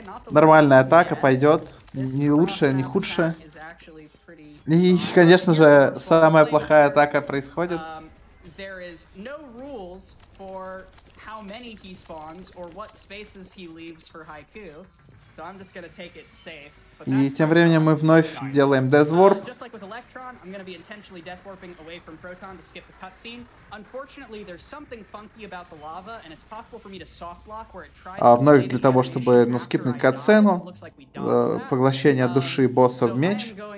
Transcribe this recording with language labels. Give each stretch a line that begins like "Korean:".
Russian: Нормальная атака пойдет. Не лучшая, не худшая. И, конечно же, самая плохая атака происходит.
English: There is no rules for how many he spawns or what spaces he leaves for Haiku. So I'm just gonna take it safe.
Russian: И тем временем мы вновь делаем Death Warp.
English: Just like with Electron, I'm gonna be intentionally Death Warping away from Proton to skip the cutscene. Unfortunately, there's something funky about the lava, and it's possible for me to soft block where it tries.
Russian: А вновь для того, чтобы, ну, скипнуть катсцену, поглощение души босса в меч.